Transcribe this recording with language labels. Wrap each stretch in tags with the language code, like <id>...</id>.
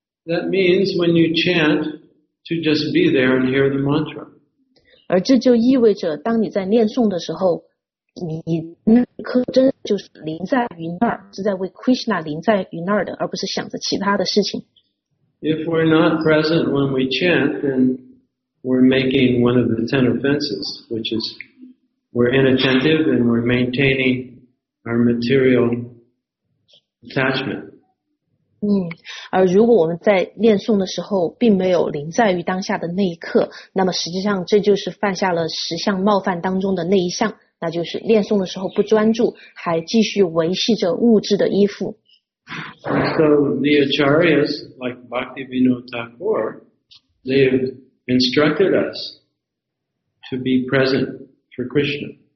<en>That means when you chant, to just be there and hear the mantra.</en> <zh>而这就意味着当你在念诵的时候你那颗真就是临在于那儿，是在为 Krishna 临在于那儿的，而不是想着其他的事情。</zh> <en>If we're not present when we chant, then we're making one of the ten offenses, which is we're inattentive and we're maintaining our material attachment.</en> <zh>而如果我们在念诵的时候并没有临在于当下的那一刻，那么实际上这就是犯下了十项冒犯当中的那一项。那就是念诵的时候不专注，还继续维系着物质的依附。</zh> <en>So the acharyas like Bhaktivinoda Thakur, they have instructed us to be present for Krishna.</en>